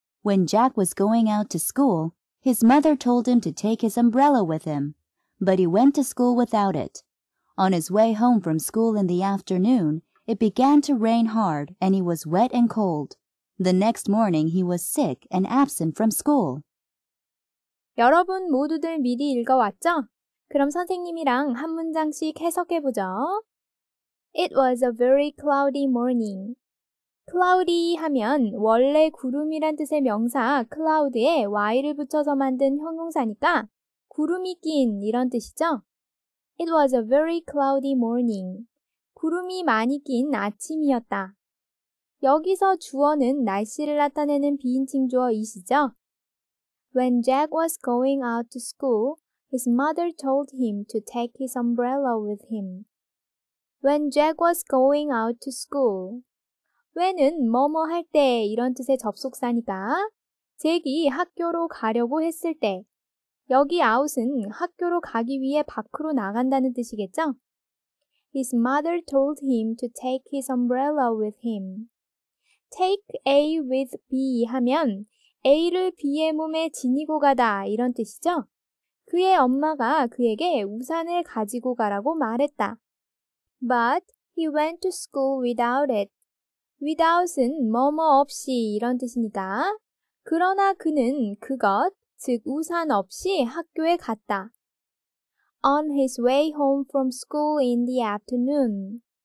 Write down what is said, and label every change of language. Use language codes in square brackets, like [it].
[en] When Jack was going out to school, his mother told him to take his umbrella with him, but he went to school without it. On his way home from school in the afternoon, it began to rain hard and he was wet and cold. The next morning he was sick and absent from school. [ko] 여러분 모두들 미리 읽어왔죠? 그럼 선생님이랑 한 문장씩 해석해보죠. [en] It was a very cloudy morning. [ko] cloudy 하면 원래 구름이란 뜻의 명사 cloud에 y를 붙여서 만든 형용사니까 구름이 낀 이런 뜻이죠. [en] It was a very cloudy morning. [ko] 구름이 많이 낀 아침이었다. 여기서 주어는 날씨를 나타내는 비인칭 주어이시죠. [en] When Jack was going out to school, his mother told him to take his umbrella with him. When Jack was going out to school. [ko] when은 뭐뭐 할 때 이런 뜻의 접속사니까 잭이 학교로 가려고 했을 때 여기 out은 학교로 가기 위해 밖으로 나간다는 뜻이겠죠? [en] His mother told him to take his umbrella with him. Take A with B [ko] 하면 A를 B의 몸에 지니고 가다 이런 뜻이죠? 그의 엄마가 그에게 우산을 가지고 가라고 말했다. [en] But he went to school without it. [ko] without은 뭐뭐 없이 이런 뜻이니까 그러나 그는 그것, 즉 우산 없이 학교에 갔다. [en] On his way home from school in the afternoon.